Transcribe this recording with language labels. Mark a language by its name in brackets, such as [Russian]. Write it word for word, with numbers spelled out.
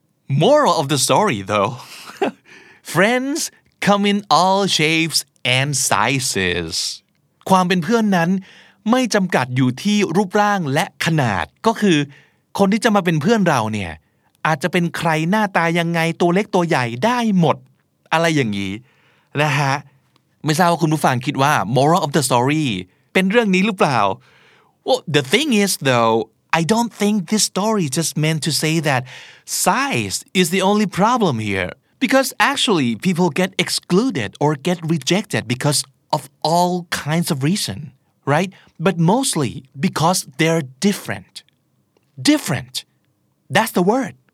[English] Moral of the story, though. Friends come in all shapes and sizes. [Thai] ความเป็นเพื่อนนั้นไม่จำกัดอยู่ที่รูปร่างและขนาดก็คือคนที่จะมาเป็นเพื่อนเราเนี่ยอาจจะเป็นใครหน้าตายังไงตัวเล็กตัวใหญ่ได้หมดอะไรอย่างนี้นะฮะไม่ทราบว่าคุณผู้ฟังคิดว่า [English] moral of the story [Thai] เป็นเรื่องนี้หรือเปล่า [English] Well, the thing is, though. I don't think this story just meant to say that size is the only problem here because actually people get excluded or get rejected because of all kinds of reason, right? But mostly because they're different. Different. That's the word.